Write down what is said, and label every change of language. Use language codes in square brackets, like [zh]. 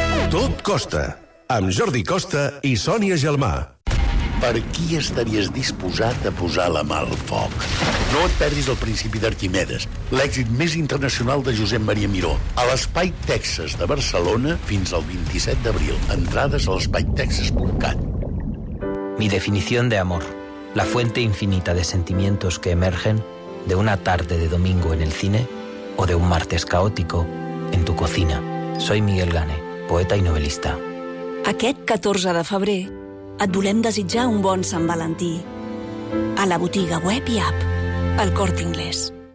[ca] Tot costa, amb Jordi Costa i Sònia Gelmà. Per qui estaries disposat a posar la mà al foc? No et perdis el principi d'Arquimedes, l'èxit més internacional de Josep Maria Miró, a l'Espai Texas de Barcelona fins al 27 d'abril. Entrades a l'espaitexas.cat. [es] Mi definición de amor, la fuente infinita de sentimientos que emergen de una tarde de domingo en el cine o de un martes caótico en tu cocina. Soy Miguel Gane, poeta y novelista. [ca] Aquest 14 de febrer et volem desitjar un bon Sant Valentí. A la botiga web i app, El Corte Inglés.